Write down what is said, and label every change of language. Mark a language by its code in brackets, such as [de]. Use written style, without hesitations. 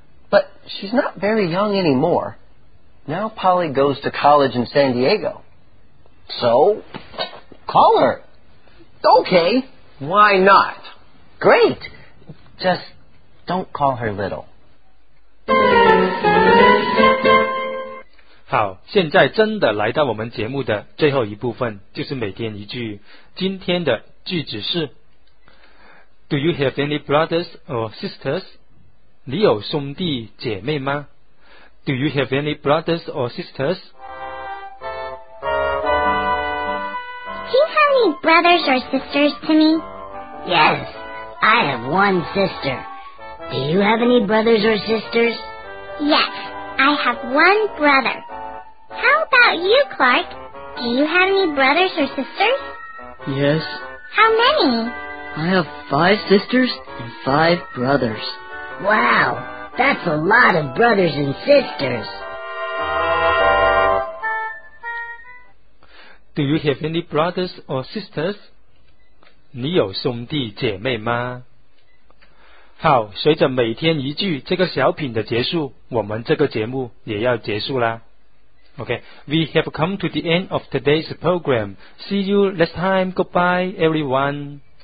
[en] But she's not very young anymore. Now Polly goes to college in San Diego. So, call her. Okay, why not? Great. Just don't call her little. [zh] 好，现在真的来到我们节目的最后一部分，就是每天一句。今天的句子是 [en] Do you have any brothers or sisters? [zh] 你有兄弟姐妹吗？ [en] Do you have any brothers or sisters? Do you have any brothers or sisters, Timmy? Yes, I have one sister. Do you have any brothers or sisters? Yes, I have one brother. How about you, Clark? Do you have any brothers or sisters? Yes. How many? I have five sisters and five brothers. Wow, that's a lot of brothers and sisters. Do you have any brothers or sisters? [zh] 你有兄弟姐妹吗？好，随着每天一句这个小品的结束，我们这个节目也要结束啦。 [en] Okay, we have come to the end of today's program. See you next time. Goodbye, everyone.